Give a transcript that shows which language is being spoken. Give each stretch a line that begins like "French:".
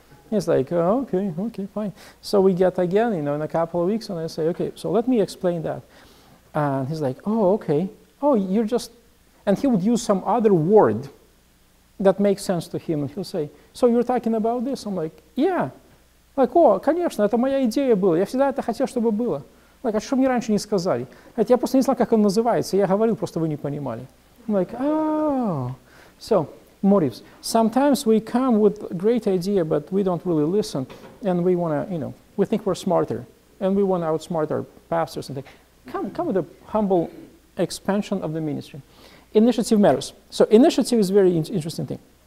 English: He's like, okay, fine. So we get again, you know, in a couple of weeks, and I say, okay, so let me explain that. And he's like, oh, okay. Oh, you're just, and he would use some other word that makes sense to him. And he'll say, so you're talking about this? I'm like, yeah. Like, oh,
Russian: конечно, это моя идея была. Я всегда это хотел, чтобы было. Like, а что мне раньше не сказали? Это я просто не знал, как он называется. Я говорил, просто вы не понимали.
English: I'm like, oh. So, motives. Sometimes we come with a great idea, but we don't really listen. And we want to, you know, we think we're smarter. And we want to outsmart our pastors. And think, come with a humble expansion of the ministry. Initiative matters. So, initiative is a very interesting thing.